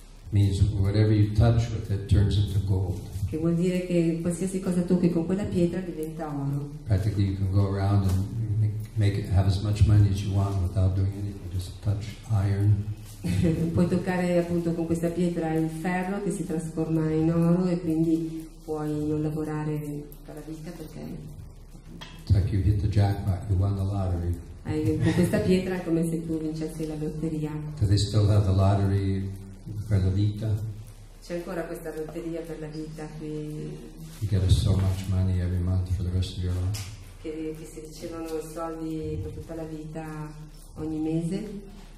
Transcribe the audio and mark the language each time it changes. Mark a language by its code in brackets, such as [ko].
[en] Means whatever you touch with it turns into gold. [it] Che vuol dire che qualsiasi cosa tocchi con quella pietra diventa oro. [en] Practically you can go around and have as much money as you want without doing anything, just touch iron. [it] Puoi toccare appunto con questa pietra il ferro che si trasforma in oro e quindi puoi non lavorare per la vita perché. [en] It's like you hit the jackpot, you won the lottery. [it] Con questa pietra è come se tu vincessi la lotteria. [en] Do they still have the lottery [it] per la vita? C'è ancora questa lotteria per la vita qui. [en] You get so much money every month for the rest of your life. [it] Che si ricevono soldi per tutta la vita ogni mese.